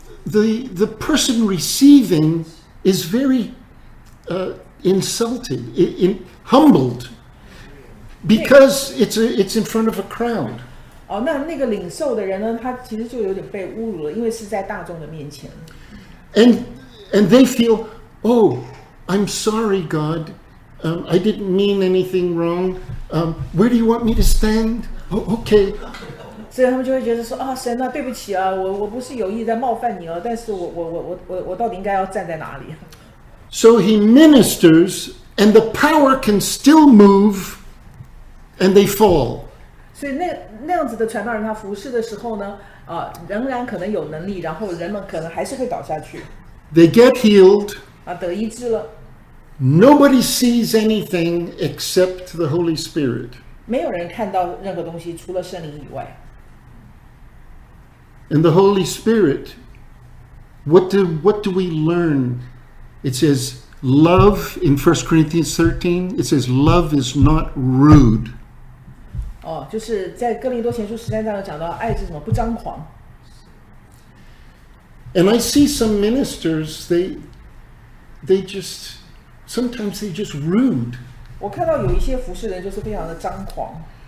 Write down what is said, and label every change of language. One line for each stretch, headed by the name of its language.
English: And the person receiving is very insulted, humbled, because it's in front of a crowd.
Chinese: 哦，那个领受的人呢，他其实就有点被侮辱了，因为是在大众的面前。
English: And they feel, oh, I'm sorry, God, I didn't mean anything wrong. Where do you want me to stand? Oh, okay.
Chinese: 所以他们就会觉得说啊，神啊，对不起啊，我不是有意在冒犯你了，但是我到底应该要站在哪里
English: ？So he ministers, and the power can still move, and they fall.
Chinese: 所以那样子的传道人他服事的时候呢，仍然可能有能力，然后人们可能还是会倒下去。
English: They get healed.
Chinese: 啊，得医治了。
English: Nobody sees anything except the Holy Spirit.
Chinese: 没有人看到任何东西，除了圣灵以外。
English: And the Holy Spirit, what do we learn? It says love in 1 Corinthians 13. It says love is not rude.
Chinese: 哦，就是在哥林多前书十三章有讲到爱是什么不张狂。
English: And I see some ministers, they just sometimes they just rude.
Chinese: 我看到有一些服事人就是非常的张狂。